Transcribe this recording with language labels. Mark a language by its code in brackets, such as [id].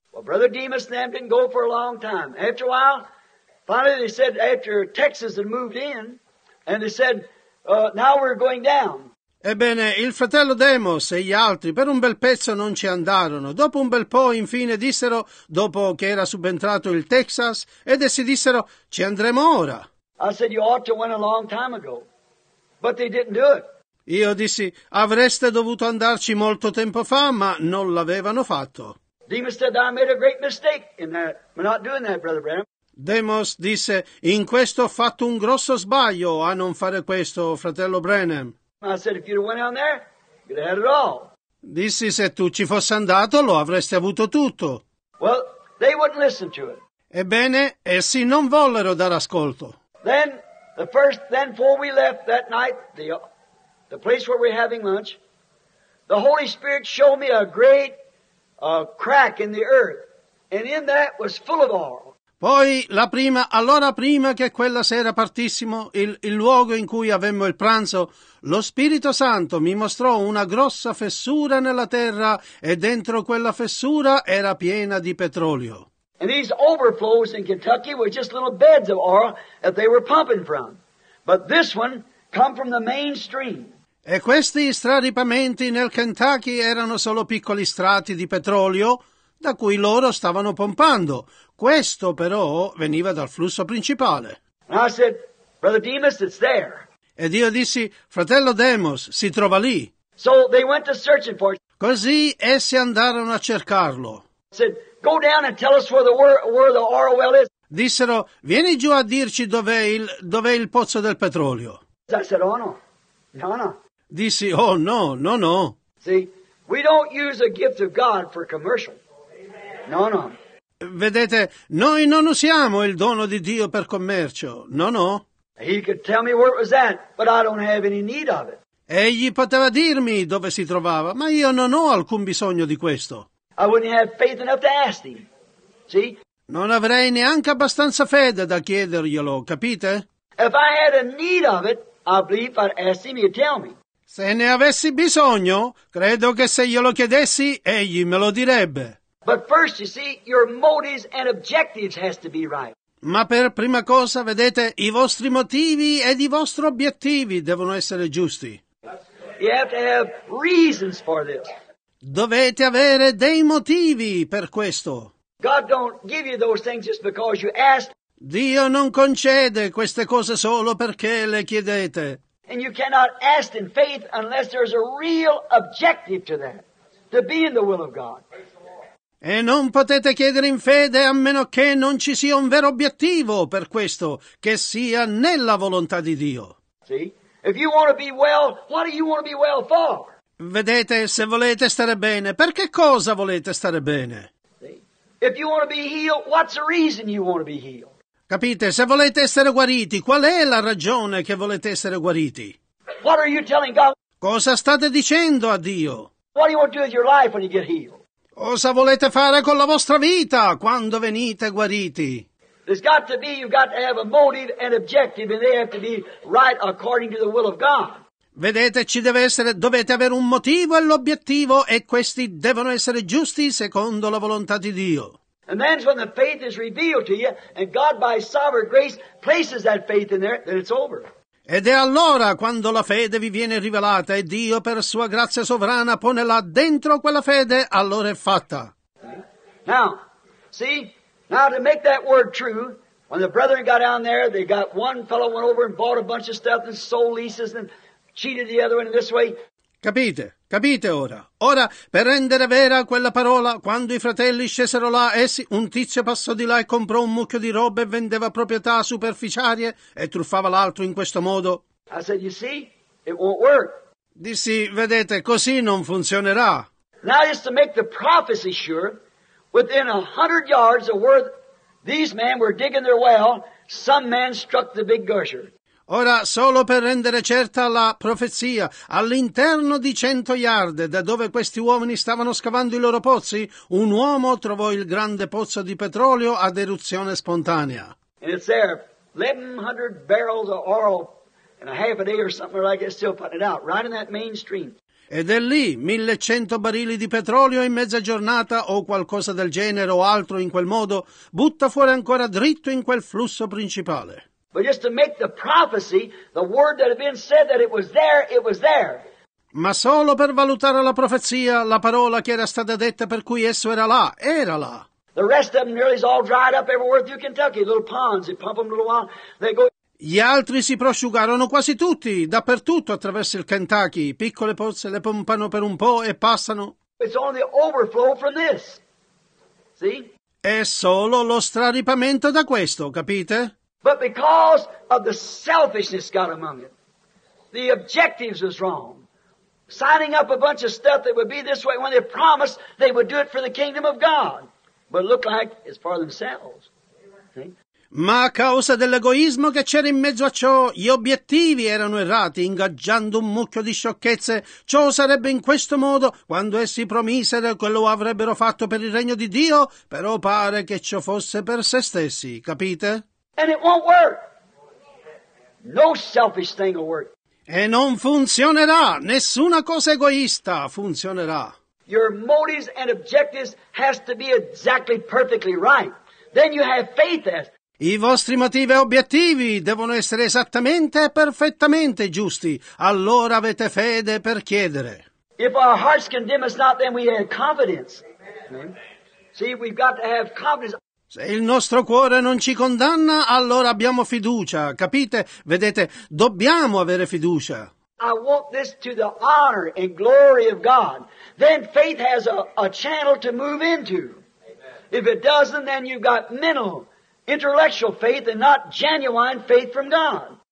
[en] Well, Brother Demas and them didn't go for a long time. After a while, finally they said, after Texas had moved in, and they said, now we're going down. [it] Ebbene, il fratello Demos e gli altri per un bel pezzo non ci andarono. Dopo un bel po', infine, dissero, dopo che era subentrato il Texas, ed essi dissero, ci andremo ora. [en] I said, you ought to went a long time ago, but they didn't do it. [it] Io dissi, avreste dovuto andarci molto tempo fa, ma non l'avevano fatto. [en] Demos said, I made a great mistake in that. We're not doing that, Brother Branham. [it] Demos disse, in questo ho fatto un grosso sbaglio a non fare questo, fratello Branham. [en] I said, if you'd have went down there, you'd have had it all. [it] Dissi, se tu ci fossi andato, lo avresti avuto tutto. [en] Well, they wouldn't listen to it. [it] Ebbene, essi non vollero dar ascolto. [en] Then, the first, then before we left that night, the place where we're having lunch, the Holy Spirit showed me a great crack in the earth, and in that was full of oil. [it] Poi, prima che quella sera partissimo, il luogo in cui avemmo il pranzo, lo Spirito Santo mi mostrò una grossa fessura nella terra e dentro quella fessura era piena di petrolio. [en] And these overflows in Kentucky were just little beds of oil that they were pumping from. But this one come from the main stream. [it] E questi straripamenti nel Kentucky erano solo piccoli strati di petrolio da cui loro stavano pompando. Questo però veniva dal flusso principale. [en] And I said, Brother Demas, it's there. [it] Ed io dissi, fratello Demos, si trova lì. [en] So they went to searching for it. [it] Così essi andarono a cercarlo. [en] I said, go down and tell us where the oil well is. [it] Dissero, vieni giù a dirci dov'è il pozzo del petrolio. [en] I said, oh no, no, no. [it] Dissi, oh no, no, no. [en] See, we don't use a gift of God for commercial. No, no. [it] Vedete, noi non usiamo il dono di Dio per commercio. No, no. [en] He could tell me where it was at, but I don't have any need of it. [it] Egli poteva dirmi dove si trovava, ma io non ho alcun bisogno di questo. [en] I wouldn't have faith enough to ask him. See? [it] Non avrei neanche abbastanza fede da chiederglielo, capite? [en] If I had a need of it, I believe I'd ask him, he'd tell me. [it] Se ne avessi bisogno, credo che se glielo chiedessi, egli me lo direbbe. [en] But first, you see, your motives and objectives has to be right. [it] Ma per prima cosa, vedete, i vostri motivi ed i vostri obiettivi devono essere giusti. [en] You have to have reasons for this. [it] Dovete avere dei motivi per questo. [en] God don't give you those things just because you asked. [it] Dio non concede queste cose solo perché le chiedete. [en] And you cannot ask in faith unless there's a real objective to that, to be in the will of God. [it] E non potete chiedere in fede a meno che non ci sia un vero obiettivo per questo, che sia nella volontà di Dio. [en] See? If you want to be well, what do you want to be well for? [it] Vedete, se volete stare bene, per che cosa volete stare bene? [en] If you want to be healed, what's the reason you want to be healed? [it] Capite, se volete essere guariti, qual è la ragione che volete essere guariti? [en] What are you telling God? [it] Cosa state dicendo a Dio? [en] What do you want to do with your life when you get healed? [it] Cosa volete fare con la vostra vita quando venite guariti? [en] There's got to be, you've got to have a motive and objective, and they have to be right according to the will of God. [it] Vedete, ci deve essere, dovete avere un motivo e l'obiettivo, e questi devono essere giusti secondo la volontà di Dio. [en] And that's when the faith is revealed to you, and God by His sovereign grace places that faith in there, then it's over. [it] Ed è allora quando la fede vi viene rivelata e Dio per sua grazia sovrana pone là dentro quella fede, allora è fatta. [en] Now, see, now to make that word true, when the brethren got down there, they got one fellow went over and bought a bunch of stuff and sold leases and cheated the other one in this way. [it] Capite? Capite ora? Ora, per rendere vera quella parola, quando i fratelli scesero là, essi, un tizio passò di là e comprò un mucchio di robe e vendeva proprietà superficiarie e truffava l'altro in questo modo. [en] I said, you see, it won't work. [it] Dissi, vedete, così non funzionerà. [en] Now just to make the prophecy sure, within 100 yards of where these men were digging their well, some man struck the big gusher. [it] Ora, solo per rendere certa la profezia, all'interno di 100 yard da dove questi uomini stavano scavando i loro pozzi, un uomo trovò il grande pozzo di petrolio ad eruzione spontanea. [en] And it's there, 1100 barrels of oil in a half a day or something like it, still putting it out, right in that main stream. [it] Ed è lì, 1100 barili di petrolio in mezza giornata o qualcosa del genere o altro in quel modo, butta fuori ancora dritto in quel flusso principale. [en] But just to make the prophecy, the word that had been said that it was there, it was there. [it] Ma solo per valutare la profezia, la parola che era stata detta per cui esso era là, era là. [en] The rest of them nearly is all dried up everywhere through Kentucky, little ponds, they pump them a little while, they go. [it] Gli altri si prosciugarono quasi tutti, dappertutto attraverso il Kentucky, piccole pozze le pompano per un po' e passano. [en] It's only the overflow from this, see? [it] È solo lo straripamento da questo, capite? [en] But because of the selfishness got among it, the objectives was wrong. signing up a bunch of stuff that would be this way when they promised they would do it for the kingdom of God. But look like it's for themselves. [it] Ma a causa dell'egoismo che c'era in mezzo a ciò, gli obiettivi erano errati, ingaggiando un mucchio di sciocchezze. Ciò sarebbe in questo modo, quando essi promisero che lo avrebbero fatto per il regno di Dio, però pare che ciò fosse per se stessi, capite? [en] And it won't work. No selfish thing will work. [it] E non funzionerà, nessuna cosa egoista funzionerà. [en] Your motives and objectives has to be exactly perfectly right. Then you have faith as. [it] I vostri motivi e obiettivi devono essere esattamente e perfettamente giusti. Allora avete fede per chiedere. [en] If our hearts condemn us not, then we have confidence. See, we've got to have confidence. [it] Se il nostro cuore non ci condanna, allora abbiamo fiducia. Capite? Vedete, dobbiamo avere fiducia. [en] I want this to the honor and glory of God. Then faith has a channel to move into. If it doesn't, then you've got mental intellectual faith and not genuine faith from God.